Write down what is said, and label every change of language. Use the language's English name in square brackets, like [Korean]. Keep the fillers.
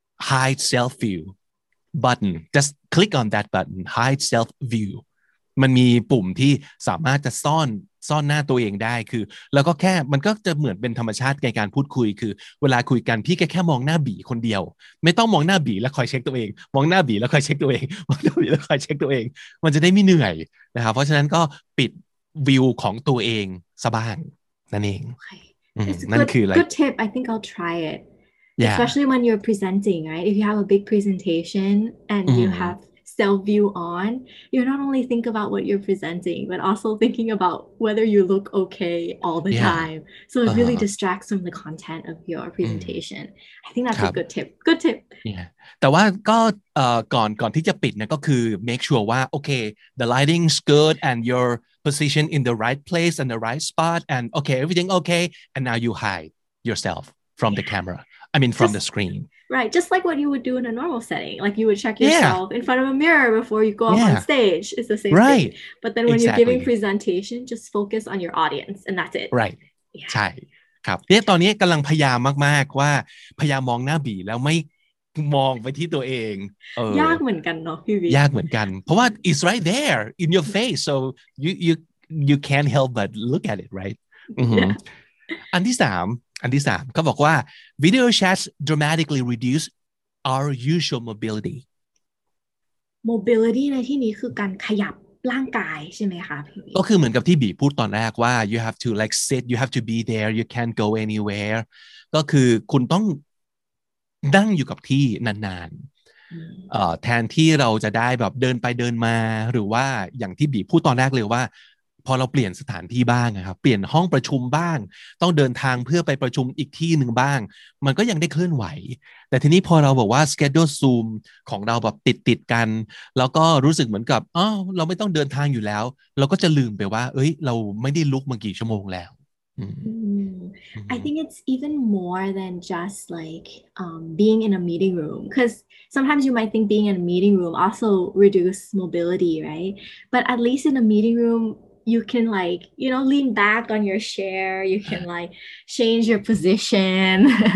[English] hide self view button just click on that button hide self view [Thai] มันมีปุ่มที่สามารถจะซ่อนซ่อนหน้าตัวเองได้คือ แล้วก็แค่มันก็จะเหมือนเป็นธรรมชาติในการพูดคุยคือเวลาคุยกันพี่แค่แค่มองหน้าบีคนเดียว ไม่ต้องมองหน้าบีแล้วคอยเช็คตัวเอง มองหน้าบีแล้วคอยเช็คตัวเองมองหน้าบีแล้วคอยเช็คตัวเอง มันจะได้ไม่เหนื่อยนะครับเพราะฉะนั้นก็ปิดวิวของตัวเองซะบ้าง [English] Right. Mm -hmm. good, mm -hmm. good tip I think I'll try it especially yeah. when you're presenting right if you have a big presentation and mm -hmm. you have self view on you are not only think about what you're presenting but also thinking about whether you look okay all the yeah. time so it really uh -huh. distracts from the content of your presentation i think that's a good tip good tip yeah [Thai] แต่ว่าก็เอ่อก่อนก่อนที่จะปิดเนี่ยก็คือ [English] uh, make sure [Thai] ว่าโอเค [English] okay, the lighting's good and you're position in the right place and the right spot and okay everything okay and now you hide yourself from yeah. the camera i mean from just, the screen right just like what you would do in a normal setting like you would check yourself yeah. in front of a mirror before you go yeah. up on stage it's the same right stage. but then when exactly. you're giving presentation just focus on your audience and that's it right yeah. [Thai] ใช่ครับ เนี่ย ตอนนี้กำลังพยายามมากๆ ว่าพยายามมองหน้าบีแล้วไม่ [English] right. [Thai] มองไปที่ตัวเองยากเ หมือนกันเนาะพี่วิยากเหมือ นกัน เพราะว่า [English] it's right there in your face so you you you can't help but look at it right [Thai] อันที่สามอันที่สามเขาบอกว่า [English] video chats dramatically reduce our usual mobility [Thai] mobility ในที่นี้คือการขยับร่างกายใช่ไหมคะพี่ ก็คือเหมือนกับที่บีพูดตอนแรกว่า [English] you have to like sit you have to be there you can't go anywhere [Thai] ก็คือคุณต้องนั่งอยู่กับที่นานๆ แทนที่เราจะได้แบบเดินไปเดินมา หรือว่าอย่างที่บีพูดตอนแรกเลยว่า พอเราเปลี่ยนสถานที่บ้างนะครับเปลี่ยนห้องประชุมบ้าง ต้องเดินทางเพื่อไปประชุมอีกที่หนึ่งบ้าง มันก็ยังได้เคลื่อนไหว แต่ทีนี้พอเราบอกว่าสเกจด u ซูมของเราแบบติดติดกันแล้วก็รู้สึกเหมือนกับอ้าเราไม่ต้องเดินทางอยู่แล้ว เราก็จะลืมไปว่าเอ้ย เราไม่ได้ลุกมากี่ชั่วโมงแล้ว [English] Mm-hmm. Mm-hmm. I think it's even more than just like um, being in a meeting room because sometimes you might think being in a meeting room also reduce mobility, right? But at least in a meeting room, you can like you know lean back on your chair, you can like change your position.